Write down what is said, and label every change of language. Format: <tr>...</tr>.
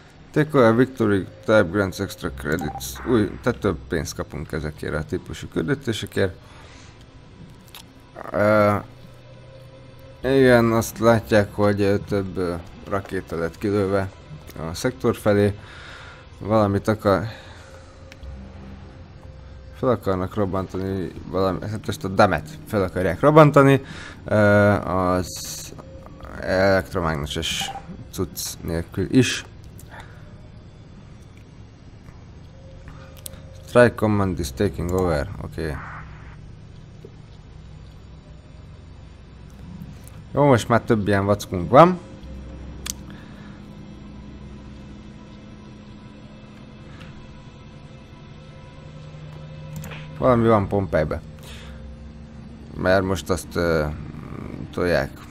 <en>Take away victory type grants extra credits.</en> <hu>Új, tehát több pénzt kapunk ezekért a típusú küldetésekért. Igen, azt látják, hogy több rakéta lett kilőve a szektor felé. Valamit akar... Fel akarnak robbantani valami, hát ezt a demet fel akarják robbantani. Az elektromágneses cucc nélkül is.</hu> <en>Strike command is taking over, oké. Okay.</en> <hu>Jó, most már több ilyen vackunk van. Valami van Pompejbe. Mert most azt tolják.</hu>